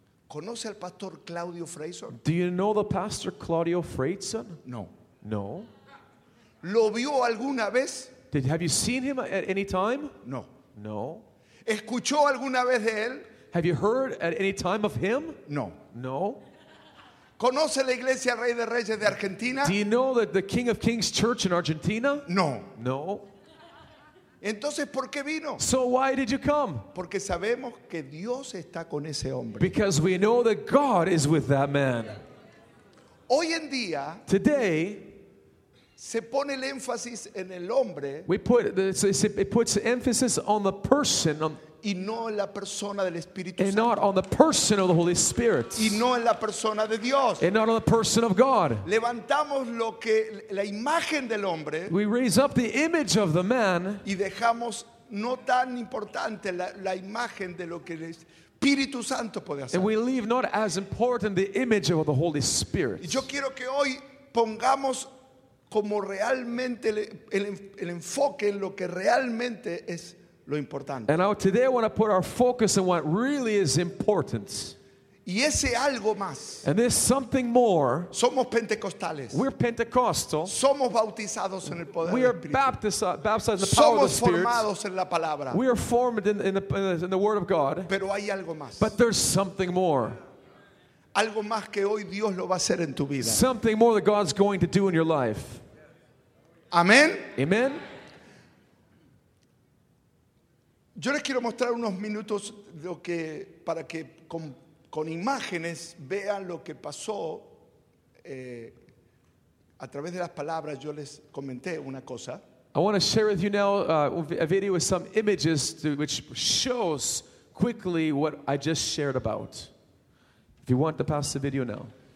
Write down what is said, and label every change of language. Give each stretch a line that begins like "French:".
Spanish: ¿Conoce al pastor Claudio Freyson?
English: Do you know the pastor Claudio Freyson?
Spanish: No.
English: No.
Spanish: ¿Lo vio alguna vez?
English: Have you seen him at any time?
Spanish: No.
English: No.
Spanish: ¿Escuchó alguna vez de él?
English: Have you heard at any time of him?
Spanish: No.
English: No.
Spanish: ¿Conoce la iglesia Rey de Reyes de Argentina?
English: Do you know the King of Kings Church in Argentina?
Spanish: No.
English: No.
Spanish: Entonces, ¿por qué vino?
English: So why did you come?
Spanish: Porque sabemos que Dios está con ese hombre.
English: Because we know that God is with that man.
Spanish: Hoy en día,
English: today,
Spanish: se pone el énfasis en el hombre.
English: We put it puts emphasis on the person,
Spanish: y no en la persona del Espíritu Santo.
English: And not on the person of the Holy Spirit.
Spanish: Y no en la persona de Dios.
English: And not on the person of God.
Spanish: Levantamos lo que la imagen del hombre.
English: We raise up the image of the man.
Spanish: Y dejamos no tan importante la imagen de lo que el Espíritu Santo puede hacer.
English: And we leave not as important the image of the Holy Spirit.
Spanish: Y yo quiero que hoy pongamos como realmente el enfoque en lo que realmente es lo importante.
English: And today I want to put our focus on what really is important.
Spanish: Y ese algo más.
English: And there's something more.
Spanish: Somos pentecostales.
English: We're Pentecostal.
Spanish: Somos bautizados en el poder.
English: We are baptized in the
Spanish: somos
English: power of the Spirit.
Spanish: Somos formados en la palabra.
English: We are formed in the Word of God.
Spanish: Pero hay algo más.
English: But there's something more.
Spanish: Algo más que hoy Dios lo va a hacer en tu vida.
English: Something more that God's going to do in your life.
Spanish: Amen.
English: Amen.
Spanish: Yo les quiero mostrar unos minutos lo que, para que con imágenes vean lo que pasó a través de las palabras. Yo les comenté una cosa.
English: I want to share with you now a video with some images which shows quickly what I just shared about. If you want to pass the video now.